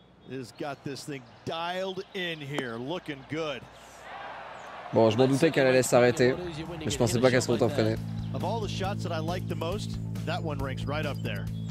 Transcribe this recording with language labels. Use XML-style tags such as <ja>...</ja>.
<en>Has got this thing dialed in here, looking good.</en> <fr>Bon, je m'en doutais qu'elle allait s'arrêter, mais je pensais pas qu'elle serait autant freinée.</fr> <en>Of all the shots that I like the most, that one ranks right up there.</en>